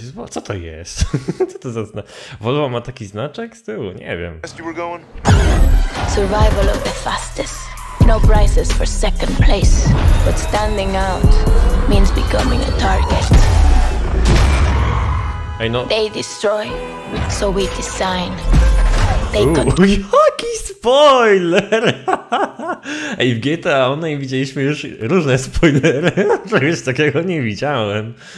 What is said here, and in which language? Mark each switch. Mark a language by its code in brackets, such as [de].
[pl] Co to jest? Co to za znaczek? Volvo ma taki znaczek z tyłu? Nie wiem. [en] Survival of the fastest. No prizes for second place. But standing out means becoming a target. I know. They destroy, so we design. [pl] Jaki spoiler! Ej, w GTA Online widzieliśmy już różne spoilery, czegoś takiego nie widziałem.